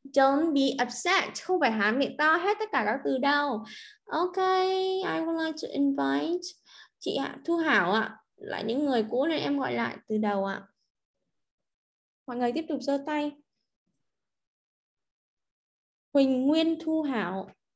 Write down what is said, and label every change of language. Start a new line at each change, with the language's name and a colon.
English: Don't be upset,
Vietnamese: không phải há miệng to hết tất cả các từ đâu.
English: Ok, I would like to invite chị Thu Hảo ạ.
Vietnamese: Là những người cũ nên em gọi lại từ đầu ạ. Mọi người tiếp tục giơ tay. Huỳnh Nguyên Thu Hảo.